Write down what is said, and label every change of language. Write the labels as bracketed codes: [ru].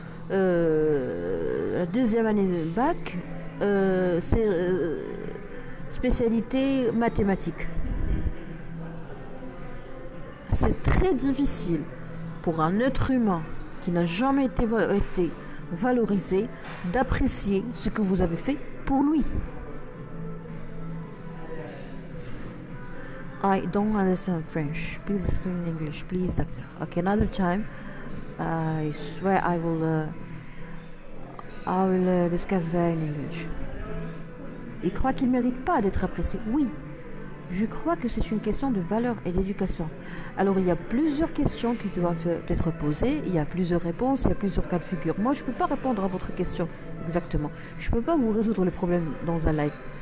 [fr] La deuxième année de bac, c'est spécialité mathématiques. C'est très difficile pour un être humain qui n'a jamais été valorisé d'apprécier ce que vous avez fait pour lui. [en] I don't understand French. Please speak in English, please, doctor. Okay, another time. I swear I will discuss that in English. [fr] Il croit qu'il ne mérite pas d'être apprécié. Oui, je crois que c'est une question de valeur et d'éducation. Alors, il y a plusieurs questions qui doivent être posées. Il y a plusieurs réponses. Il y a plusieurs cas de figure. Moi, je ne peux pas répondre à votre question exactement. Je ne peux pas vous résoudre le problème dans un live.